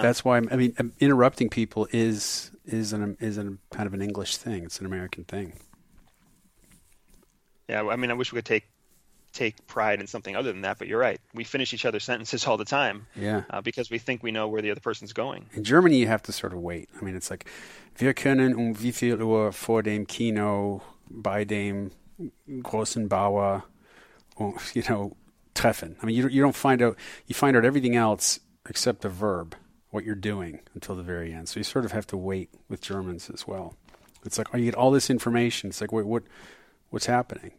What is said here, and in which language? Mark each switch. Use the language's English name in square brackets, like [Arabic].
[English] That's why, interrupting people is kind of an English thing. It's an American thing. Yeah, I mean, I wish we could take pride in something other than that, but you're right. We finish each other's sentences all the time. Yeah. Because we think we know where the other person's going. In Germany, you have to sort of wait. I mean, it's like, [German] wir können um wie viel Uhr vor dem Kino bei dem großen Bauer, [English] you know, [German] treffen. [English] I mean, you don't find out, you find out everything else except the verb, what you're doing, until the very end. So you sort of have to wait with Germans as well. It's like, oh, you get all this information. It's like, wait, what's happening?